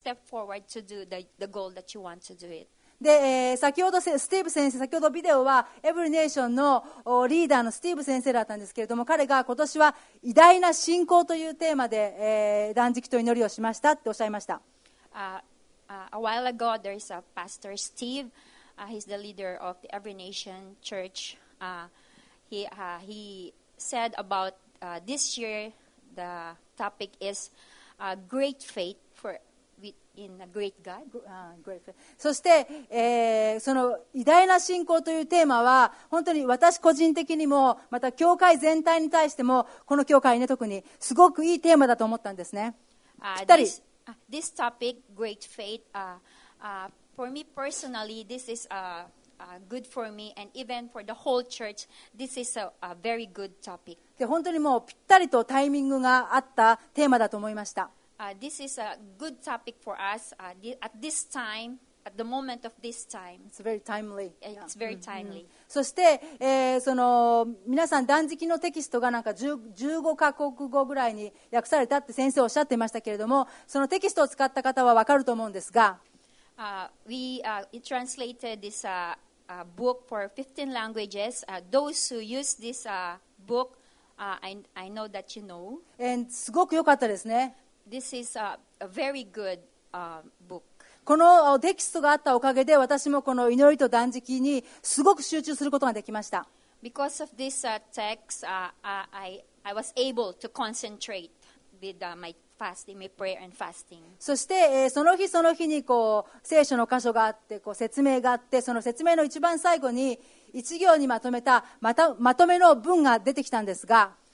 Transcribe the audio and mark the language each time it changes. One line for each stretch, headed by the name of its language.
English: step forward to do the goal that you want to do it.
Japanese: で、先ほどスティーブ先生、先ほどビデオはエブリネーションのリーダーのスティーブ先生だったんですけれども、彼が今年は偉大な信仰というテーマで、断食と祈りをしましたっておっしゃいました。
English: A while ago there is a pastor Steve、he's the leader of the Every Nation Church、he said about、this year the topic is、great faith for in a great God、 great faith.
Japanese: そして、その偉大な信仰というテーマは本当に私個人的にもまた教会全体に対してもこの教会ね特にすごくいいテーマだと思ったんですね。ぴったり。
English: This topic, great faith, for me personally, this is good for me, and even for the whole church, this is a very good topic.
Japanese: で、本当にもうぴったりとタイミングがあったテーマだと思いました。
English: This is a good topic for us at this time, at the moment of this time. It's very timely. It's very timely. Mm-hmm.
Japanese: そして、その皆さん断食のテキストがなんか15カ国語ぐらいに訳されたって先生おっしゃってましたけれども、そのテキストを使った方はわかると思うんですが、
English: we translated this book for 15 languages. Those who use this book, I know that you know.
Japanese: And すごく良かったですね。
English: This is a very good book.
Japanese: このテキストがあったおかげで私もこの祈りと断食にすごく集中することができました。
English: Because of this text, I was able to concentrate with my fasting, my prayer and fasting.
Japanese: そして、その日その日にこう聖書の箇所があってこう説明があって、その説明の一番最後に一行にまとめたまとめの文が出てきたんですが、